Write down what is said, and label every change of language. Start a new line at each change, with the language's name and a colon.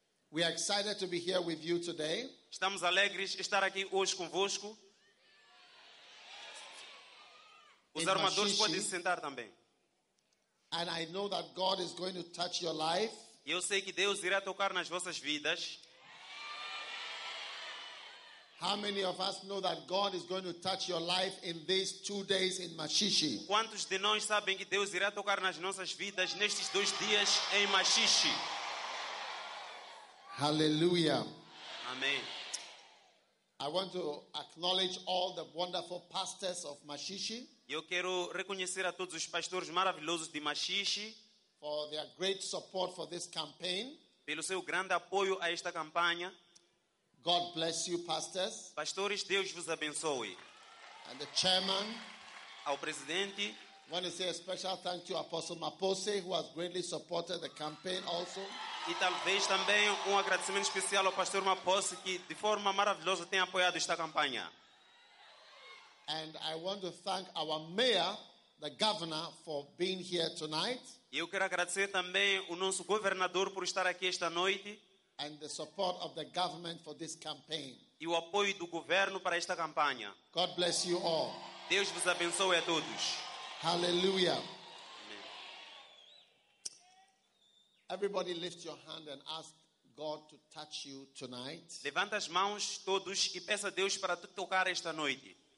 English: We are excited to be here with you today.
Portuguese: Estamos alegres de estar aqui hoje convosco. Os armadores podem se sentar também.
English: And I know that God is going to touch your life.
Portuguese: E eu sei que Deus irá tocar nas vossas vidas.
English: How many of us know that God is going to touch your life in these 2 days in Maxixe?
Portuguese: Quantos de nós sabem que Deus irá tocar nas nossas vidas nestes 2 dias em Maxixe?
English: Hallelujah. Amen. I want to acknowledge all the wonderful pastors of Maxixe.
Portuguese: Eu quero reconhecer a todos os pastores maravilhosos de Maxixe
English: for their great support for this campaign.
Portuguese: Pelo seu grande apoio a esta campanha.
English: God bless you, pastors.
Portuguese: Pastores, Deus vos abençoe.
English: And the chairman.
Portuguese: Ao presidente.
English: I want to say a special thank you to Apostle Mapose, who has greatly supported the campaign also.
Portuguese: E talvez também agradecimento especial ao Pastor Mapose, que de forma maravilhosa tem apoiado esta campanha.
English: And I want to thank our mayor, the governor, for being here tonight.
Portuguese: E eu quero agradecer também o nosso governador por estar aqui esta noite.
English: And the support of the government for this campaign.
Portuguese: E o apoio do governo para esta campanha.
English: God bless you all.
Portuguese: Deus vos abençoe a todos.
English: Hallelujah. Everybody lift your hand and ask God to touch you tonight.
Portuguese: Levanta as mãos todos e peça a Deus para te tocar esta noite.